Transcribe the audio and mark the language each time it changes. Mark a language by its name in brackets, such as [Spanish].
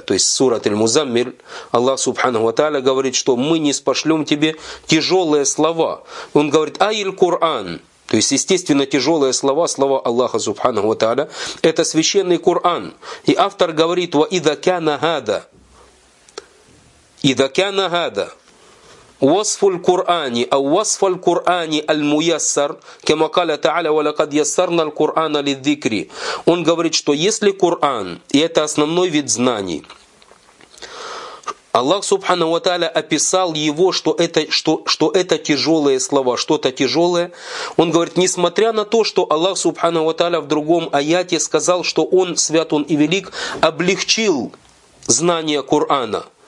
[Russian] То есть сурат Аль-Музаммир, Аллах Субханаху та'аля говорит, что мы не спошлем тебе тяжелые слова. Он говорит, «Айль Кур'ан». То есть, естественно, тяжелые слова Аллаха Субханаху та'аля, это священный Кур'ан. И автор говорит, [Arabic] «Ва идакяна хада». [Russian] «Идакяна хада». [Arabic] وصف القرآن أو وصف القرآن الميسر كما قال تعالى ولقد يسرنا القرآن للذكر. [Russian] Он говорит, что если Коран, и это основной вид знаний, Аллах Субхана ва Тааля описал его, что это тяжелые слова, что-то тяжелое. Он говорит, несмотря на то, что Аллах Субхана ва Тааля в другом аяте сказал, что он, свят он и велик, облегчил знание Корана.